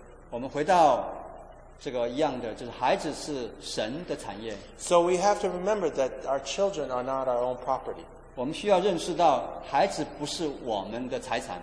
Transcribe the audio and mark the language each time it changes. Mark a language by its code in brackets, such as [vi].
[zh] 我们回到这个一样的,就是孩子是神的产业。 [en] So we have to remember that our children are not our own property. [zh] 我们需要认识到孩子不是我们的财产。